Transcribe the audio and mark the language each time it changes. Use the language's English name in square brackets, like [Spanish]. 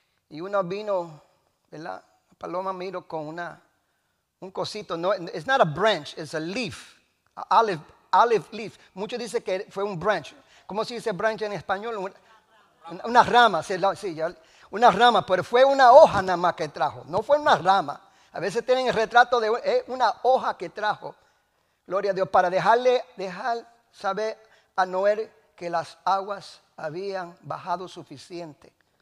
[Spanish] Y una vino, ¿verdad?, paloma miro con un cosito. [English] No, it's not a branch, it's a leaf, olive leaf. [Spanish] Muchos dicen que fue un branch. ¿Cómo se dice branch en español? Una rama, sí, ya. Una rama, pero fue una hoja nada más que trajo. No fue una rama. A veces tienen el retrato de una hoja que trajo. Gloria a Dios. Para dejar saber a Noé que las aguas habían bajado suficiente.